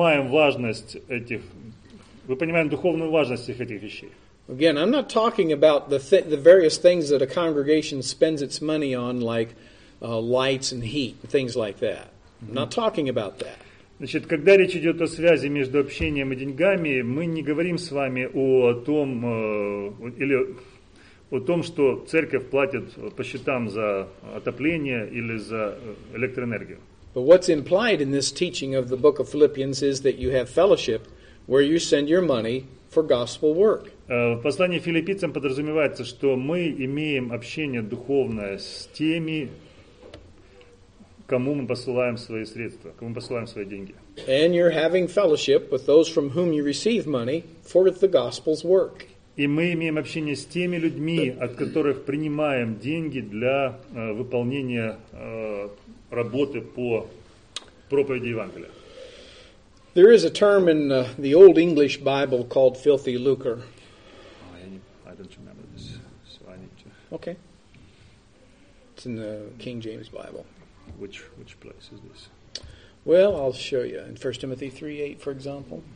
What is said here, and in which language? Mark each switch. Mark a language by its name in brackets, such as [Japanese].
[Russian] Мы понимаем духовную важность этих вещей. [English] Again, I'm not talking about the various things that a congregation spends its money on, like lights and heat, things like that. I'm not talking about that. [Russian] Значит, когда речь идет о связи между общением и деньгами, мы не говорим с вами о том, что церковь платит по счетам за отопление или за электроэнергию. [English] But what's implied in this teaching of the book of Philippians is that you have fellowship where you send your money for gospel work. [Russian] В послании филиппийцам подразумевается, что мы имеем общение духовное с теми, кому мы посылаем свои средства, кому мы посылаем свои деньги. [English] And you're having fellowship with those from whom you receive money for the gospel's work. [Russian] И мы имеем общение с теми людьми, от которых принимаем деньги для выполнения работы по проповеди Евангелия. [English] There is a term in the old English Bible called filthy lucre. I don't remember this, so I need to. Okay. It's in the King James Bible. Which place is this? Well, I'll show you in 1 Timothy 3:8, for example.